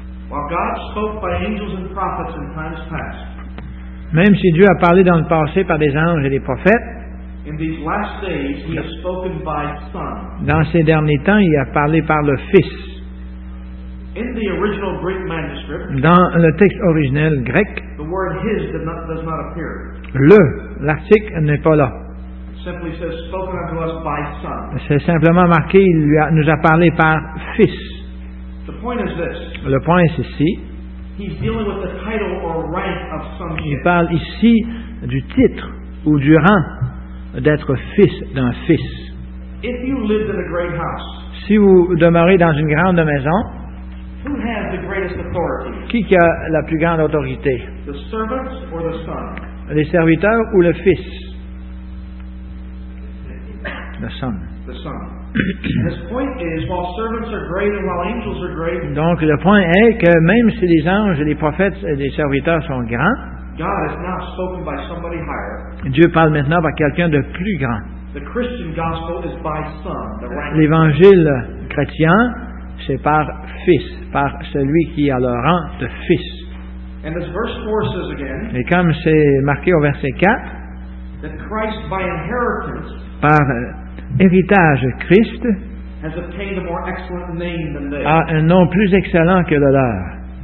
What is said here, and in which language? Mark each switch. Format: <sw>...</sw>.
<en>While God spoke by angels and prophets in times past,</en> <fr>même si Dieu a parlé dans le passé par des anges et des prophètes,</fr> <en>in these last days, he has spoken by Son.</en> <fr>Dans ces derniers temps, il a parlé par le Fils.</fr> <en>In the original Greek manuscript,</en> <fr>dans le texte originel grec,</fr> <en>the word his does not appear.</en> <fr>Le, l'article n'est pas là.</fr> <en>Simply says, spoken unto us by Son.</en> <fr>C'est simplement marqué, il nous a parlé par Fils.</fr> <en>The point is this.</en> <fr>Le point est ceci.</fr> <en>He's dealing with the title or rank of son.</en> <fr>Il parle ici du titre ou du rang d'être fils d'un fils.</fr> <en>If you lived in a great house,</en> <fr>si vous demeurez dans une grande maison,</fr> <en>who has the greatest authority?</en> <fr>Qui a la plus grande autorité?</fr> <en>The servants or the son?</en> <fr>Les serviteurs ou le fils?</fr> <en>The Son. The Son. His point is, while servants are great and while angels are great.</en> <fr>Donc le point est que même si les anges, les prophètes et les serviteurs sont grands,</fr> <en>God is now spoken by somebody higher.</en> <fr>Dieu parle maintenant par quelqu'un de plus grand.</fr> <en>The Christian gospel is by Son, the rank.</en> <fr>L'évangile chrétien, c'est par Fils, par celui qui a le rang de Fils.</fr> <en>And as verse 4 says again.</en> <fr>Et comme c'est marqué au verset 4,</fr> <en>that Christ by inheritance.</en> <fr>Par héritage, Christ</fr> <en>has obtained a more excellent name than they.</en> <fr>A un nom plus excellent que le leur.</fr>